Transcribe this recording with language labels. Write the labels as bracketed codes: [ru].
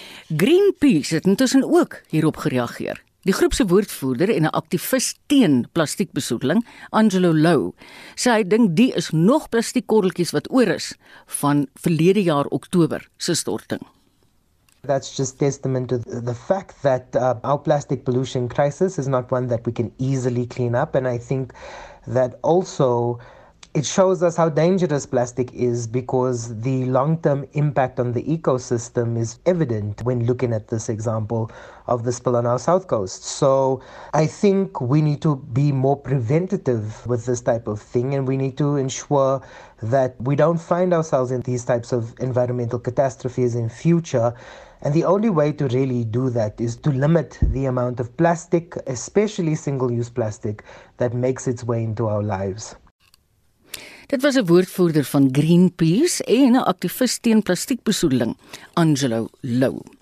[af] Greenpeace het intussen ook hierop gereageer. Die groep se woordvoerder en 'n aktivis teen plastiekbesoedeling, Angelo Lou, sê hy dink die is nog plastiekkorreltjies wat oor is van verlede jaar Oktober se storting. [en] That's just testament to the fact that our plastic pollution crisis is not one that we can easily clean up. And I think that also it shows us how dangerous plastic is because the long-term impact on the ecosystem is evident when looking at this example of the spill on our south coast. So I think we need to be more preventative with this type of thing and we need to ensure that we don't find ourselves in these types of environmental catastrophes in future. And the only way to really do that is to limit the amount of plastic, especially single-use plastic, that makes its way into our lives. [af] Dit was 'n woordvoerder van Greenpeace en 'n aktivis teen plastiekbesoedeling, Angelo Lou.